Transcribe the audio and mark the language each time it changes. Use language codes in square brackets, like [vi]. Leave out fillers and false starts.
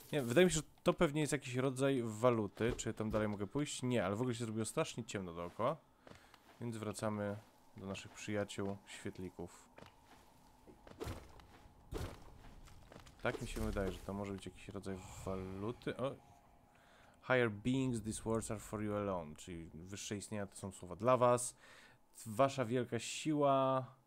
[pl] Nie, wydaje mi się, że to pewnie jest jakiś rodzaj waluty. Czy tam dalej mogę pójść? Nie, ale w ogóle się zrobiło strasznie ciemno dookoła. Więc wracamy do naszych przyjaciół, świetlików. Tak mi się wydaje, że to może być jakiś rodzaj waluty. O. [en] Higher beings, these words are for you alone. [pl] Czyli wyższe istnienia to są słowa dla was. Wasza wielka siła...